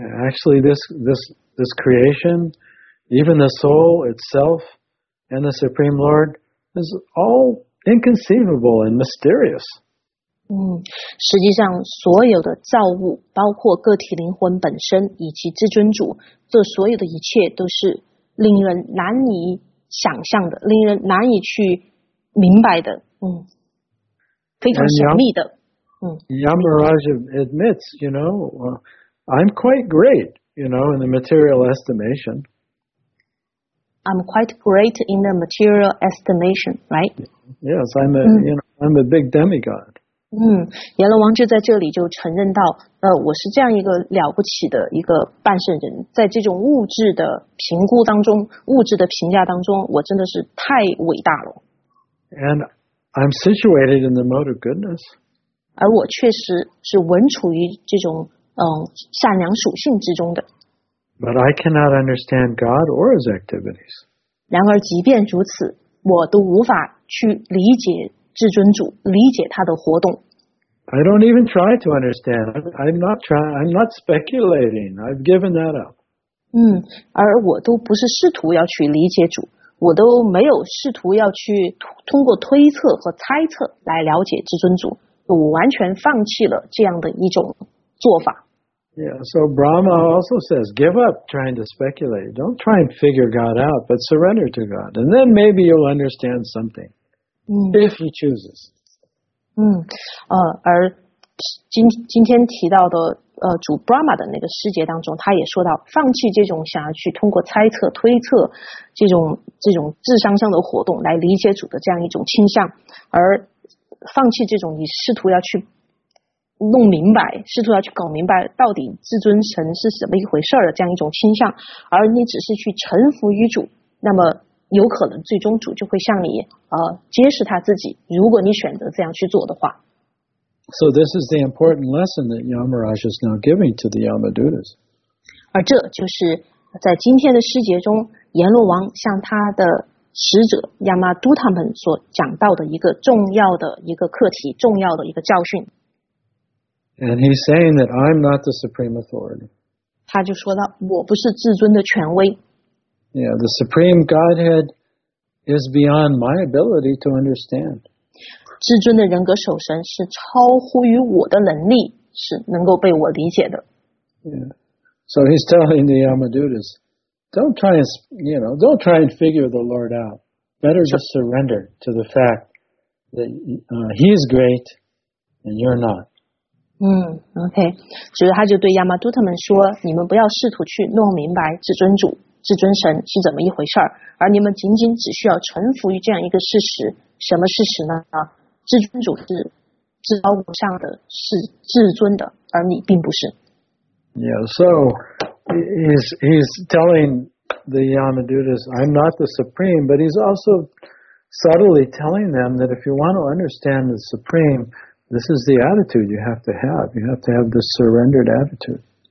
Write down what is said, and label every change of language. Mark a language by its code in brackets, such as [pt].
[en] Actually this creation, even the soul itself and the Supreme Lord is all inconceivable and mysterious. [zh] 实际上所有的造物，包括个体灵魂本身以及至尊主，这所有的一切都是令人难以想象的，令人难以去明白的，非常神秘的。 [en] Yamaraj admits, you know, I'm quite great, you know, in the material estimation. I'm quite great in the material estimation, right? Yes, I'm a, you know, I'm a big demigod. [zh] 阎罗王就在这里就承认到，我是这样一个了不起的一个半圣人，在这种物质的评估当中，物质的评价当中，我真的是太伟大了。 [en] And I'm situated in the mode of goodness. [zh] 而我确实是稳处于这种善良属性之中的。 [en] But I cannot understand God or his activities. [zh] 然而即便如此，我都无法去理解至尊主，理解他的活动。 [en] I don't even try to understand. I'm not speculating. I've given that up. [zh] 而我都不是试图要去理解主，我都没有试图要去通过推测和猜测来了解至尊主，我完全放弃了这样的一种做法。 [en] Yeah, so Brahma also says, give up trying to speculate. Don't try and figure God out, but surrender to God. And then maybe you'll understand something. If he chooses. [zh] 而今天提到的主 Brahma 的那个世界当中，他也说到放弃这种想要去通过猜测推测这种智商上的活动来理解主的这样一种倾向，而放弃这种你试图要去弄明白，试图要去搞明白到底至尊神是什么一回事的这样一种倾向，而你只是去臣服于主，那么有可能最终主就会向你揭示他自己，如果你选择这样去做的话。 [en] So this is the important lesson that Yamaraj is now giving to the Yamadutas. [zh] 而这就是在今天的师节中阎罗王向他的使者 Yamaduta 们所讲到的一个重要的一个课题，重要的一个教训。 [en] And he's saying that I'm not the supreme authority. [zh] 他就说到我不是至尊的权威。 [en] Yeah, the Supreme Godhead is beyond my ability to understand. [zh] 至尊的人格守神是超乎于我的能力，是能够被我理解的。 [en] So he's telling the Yamadutas, don't try and figure the Lord out. better just surrender to the fact that he is great and you're not. [zh] 嗯，OK， 所以他就对亚麻都特们说：“你们不要试图去弄明白至尊主、至尊神是怎么一回事儿，而你们仅仅只需要臣服于这样一个事实。什么事实呢？啊，至尊主是至高无上的，是至尊的，而你并不是。” [en] Yeah, so he's telling the Yamadutas, "I'm not the supreme," but he's also subtly telling them that if you want to understand the supreme. This is the attitude you have to have. You have to have this surrendered attitude.